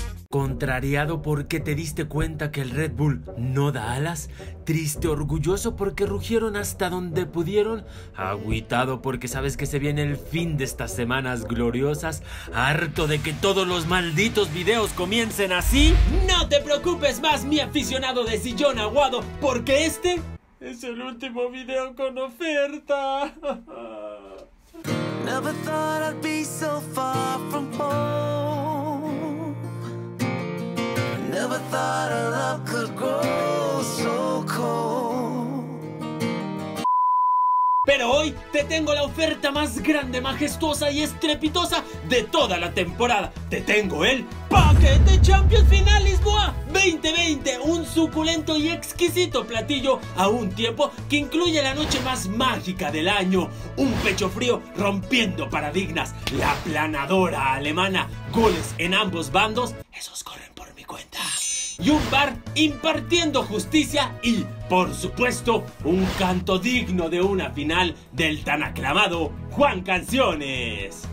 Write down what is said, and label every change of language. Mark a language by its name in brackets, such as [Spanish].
[Spanish] Contrariado porque te diste cuenta que el Red Bull no da alas, triste, orgulloso porque rugieron hasta donde pudieron, agüitado porque sabes que se viene el fin de estas semanas gloriosas, harto de que todos los malditos videos comiencen así. No te preocupes más, mi aficionado de sillón aguado, porque este es el último video con oferta. [English] Never thought I'd be so far from home. Never thought a love could grow so cold. [Spanish] Pero hoy te tengo la oferta más grande, majestuosa y estrepitosa de toda la temporada. Te tengo el paquete Champions Final Lisboa 2020, un suculento y exquisito platillo a un tiempo que incluye la noche más mágica del año, un pecho frío rompiendo paradigmas, la aplanadora alemana, goles en ambos bandos, esos corren por mi cuenta, y un VAR impartiendo justicia y, por supuesto, un canto digno de una final del tan aclamado Juan Canciones.